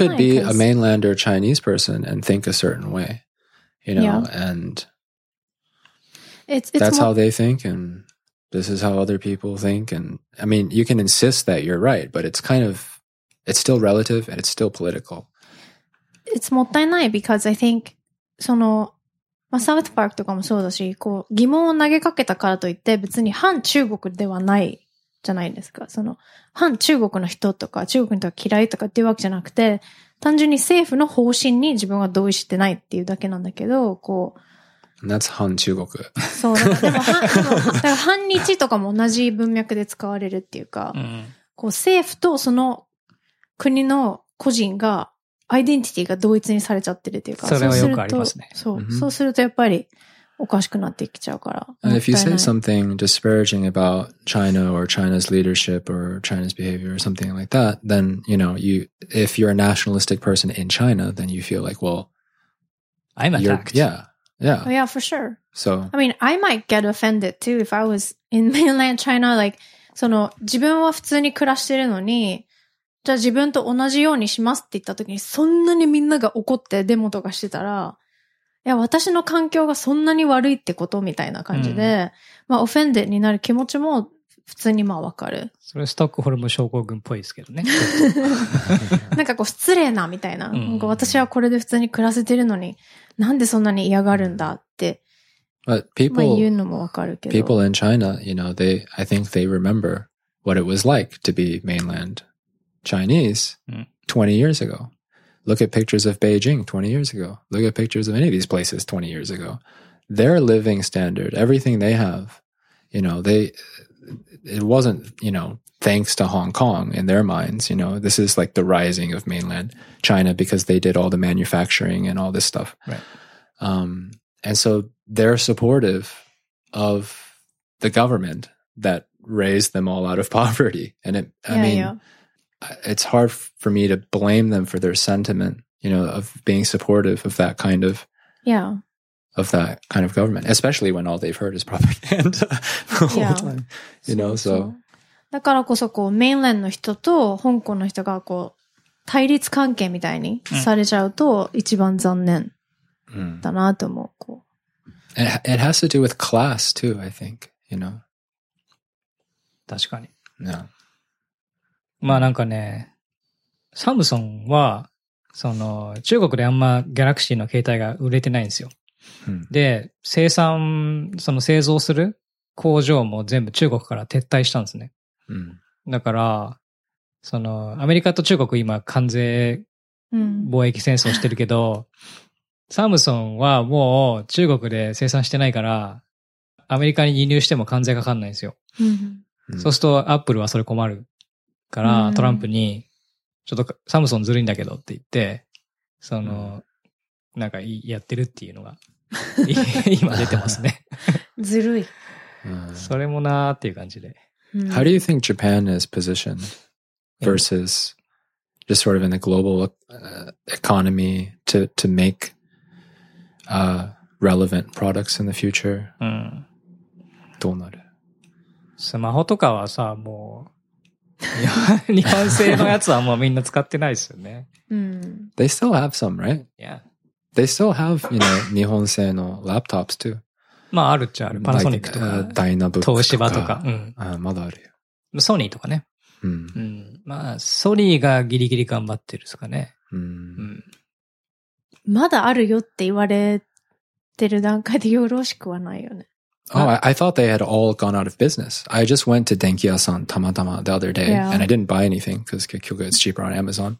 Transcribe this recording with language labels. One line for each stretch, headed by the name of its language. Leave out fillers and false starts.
English: you could be a mainlander Chinese person and think a certain way, you know, and it's that's how they think, and this is how other people think. And I mean, you can insist that you're right, but it's kind of it's still relative and it's still political. It's multi-line because I think その。
Japanese: まあ、サウスパークとかもそうだし、こう、疑問を投げかけたからといって、別に反中国ではないじゃないですか。その、反中国の人とか、中国の人が嫌いとかっていうわけじゃなくて、単純に政府の方針に自分は同意してないっていうだけなんだけど、こう。
English: That's 反中国。
Japanese: そう、だから反日とかも同じ文脈で使われるっていうか、こう、政府とその国の個人が、アイデンティティが同一にされちゃってるっていうか、それはよくありますね。そう、そうするとやっぱりおかしくなってきちゃうから。
English: And if you say something disparaging about China or China's leadership or China's behavior or something like that, then you know you if you're a nationalistic person in China, then you feel like well, I'm attacked. Yeah, yeah. Oh, yeah, for sure. So I mean, I might get offended too if I was in mainland China.
Japanese: Like, その自分は普通に暮らしてるのに。じゃあ自分と同じようにしますって言った時にそんなにみんなが怒ってデモとかしてたら、いや私の環境がそんなに悪いってことみたいな感じで、まあオフェンデになる気持ちも普通にまあわかる。それストックホルム症候群っぽいですけどね。なんかこう失礼なみたいな。なんか私はこれで普通に暮らせてるのに、なんでそんなに嫌がるんだって。
English: But people,
Japanese: まあ言うのもわかるけど。
English: People in China, you know, I think they remember what it was like to be mainland. Chinese 20 years ago. Look at pictures of Beijing 20 years ago. Look at pictures of any of these places 20 years ago. Their living standard, everything they have, you know, it wasn't, you know, thanks to Hong Kong in their minds, you know, this is like the rising of mainland China because they did all the manufacturing and all this stuff. Right. And so they're supportive of the government that raised them all out of poverty. And it's hard for me to blame them for their sentiment, you know, of being supportive of that kind of, yeah, of that kind of government, especially when all they've heard is propaganda the whole time, you know, so.
Japanese: だからこそこう、メインランドの人と香港の人がこう、対立関係みたいにされちゃうと一番残念だなと思う。こう。
English: It has to do with class too, I think, you know.
Japanese: 確かに。
English: Yeah.
Japanese: まあなんかね、サムソンは、その、中国であんまギャラクシーの携帯が売れてないんですよ。で、生産、その製造する工場も全部中国から撤退したんですね。だから、その、アメリカと中国今関税貿易戦争してるけど、サムソンはもう中国で生産してないから、アメリカに輸入しても関税かかんないんですよ。そうするとアップルはそれ困るから、トランプに、ちょっとサムソンずるいんだけどって言って、その、なんかやってるっていうのが、今出てますね。ずるい。それもなーっていう感じで。
English: How do you think Japan is positioned versus just sort of in the global economy to make relevant products in the future?
Japanese: どうなる？スマホとかはさ、もう、日本製のやつはもうみんな使ってないですよね。
English: They still have some, right? Yeah. They still have, you know, 日本製の laptops too.
Japanese: まああるっちゃある。パナソニックとか、ダイナブックとか、東芝とか、まだあるよ。ソニーとかね。まあソニーがギリギリ頑張ってるですかね。まだあるよって言われてる段階でよろしくはないよね。
English: Oh, I thought they had all gone out of business. I just went to Denki-ya-san tamatama the other day, yeah. And I didn't buy anything because 結局 it's cheaper on Amazon.